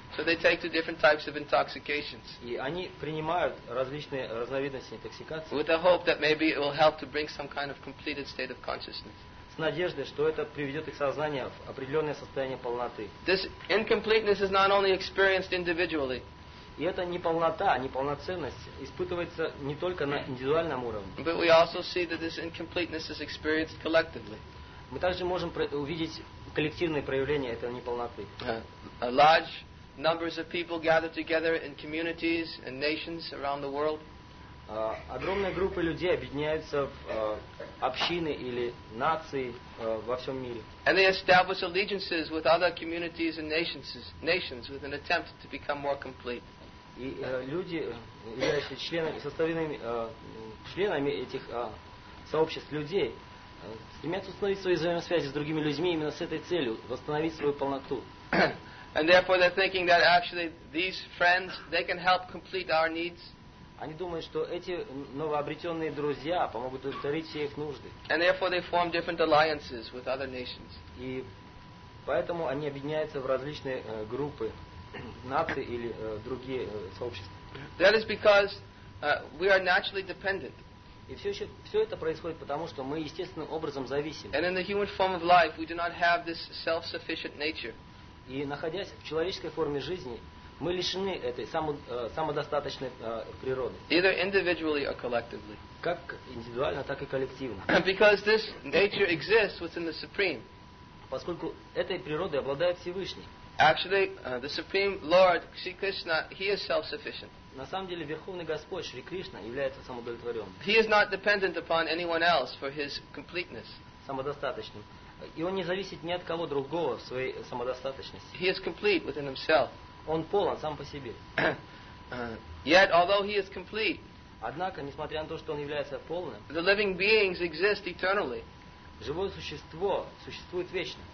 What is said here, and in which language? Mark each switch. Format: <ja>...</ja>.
<en>So they take to different types of intoxications.</en> <ru>И они принимают различные разновидности интоксикации.</ru> <en>With the hope that maybe it will help to bring some kind of completed state of consciousness.</en> <ru>С надеждой, что это приведет их сознание в определенное состояние полноты.</ru> <en>This incompleteness is not only experienced individually.</en> <ru>И эта неполнота, неполноценность испытывается не только на индивидуальном уровне.</ru> <en>But we also see that this incompleteness is experienced collectively.</en> <ru>Мы также можем увидеть коллективные проявления этой неполноты.</ru> <en>Large numbers of people gather together in communities and nations around the world.</en> <ru>Огромные группы людей объединяются в общины или нации во всем мире.</ru> <en>And they establish allegiances with other communities and nations with an attempt to become more complete.</en> <ru>И люди, являющиеся членами этих сообществ людей, стремятся установить свои взаимосвязи с другими людьми именно с этой целью, восстановить свою полноту.</ru> <en>And therefore they're thinking that actually these friends, they can help complete our needs.</en> <ru>Они думают, что эти новообретенные друзья помогут удовлетворить все их нужды.</ru> <en>And therefore they form different alliances with other nations.</en> <ru>И поэтому они объединяются в различные группы. Нации или другие сообщества.</ru> <en>That is because we are naturally dependent.</en> <ru>И все это происходит потому, что мы естественным образом зависим.</ru> <en>And in the human form of life, we do not have this self-sufficient nature.</en> <ru>И находясь в человеческой форме жизни, мы лишены этой самодостаточной природы.</ru> <en>Either individually or collectively.</en> <ru>Как индивидуально, так и коллективно.</ru> <en>Because this nature exists within the Supreme.</en> <ru>Поскольку этой природой обладает Всевышний.</ru> <en>Actually, the Supreme Lord, Sri Krishna, he is self-sufficient.</en> <ru>На самом деле, Верховный Господь, Шри Кришна, является самодовлетворенным.</ru> <en>He is not dependent upon anyone else for his completeness.</en> <ru>Самодостаточным. И он не зависит ни от кого другого в своей самодостаточности.</ru> <en>He is complete within himself.</en> <ru>Он полон сам по себе.</ru> <en>Yet, although he is complete,</en> <ru>однако, несмотря на то, что он является полным,</ru> <en>the living beings exist eternally.</en> <ru>Живое существо существует вечно.</ru>